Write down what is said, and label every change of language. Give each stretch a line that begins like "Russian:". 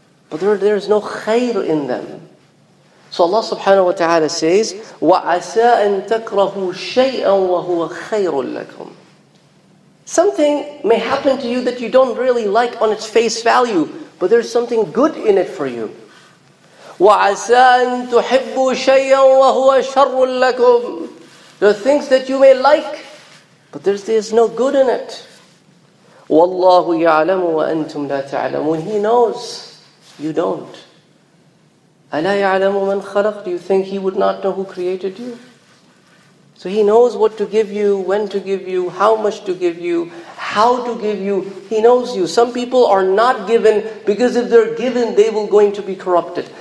English: But there is no khair in them. So Allah subhanahu wa ta'ala says,
Arabic: وَعَسَىٰ أَن تَكْرَهُ شَيْئًا وَهُوَ خَيْرٌ لَكُمْ
English: Something may happen to you that you don't really like on its face value, but there's something good in it for you.
Arabic: وَعَسَىٰ أَن تُحِبُّوا شَيْئًا وَهُوَ شَرٌ لَكُمْ
English: There are things that you may like, but there's no good in it.
Arabic: وَاللَّهُ يَعْلَمُ وَأَنْتُمْ لَا تَعْلَمُونَ
English: He knows, you don't.
Arabic: أَلَا يَعْلَمُ مَنْ خَلَقَ
English: Do you think he would not know who created you? So he knows what to give you, when to give you, how much to give you, how to give you. He knows you. Some people are not given because if they're given, they will going to be corrupted.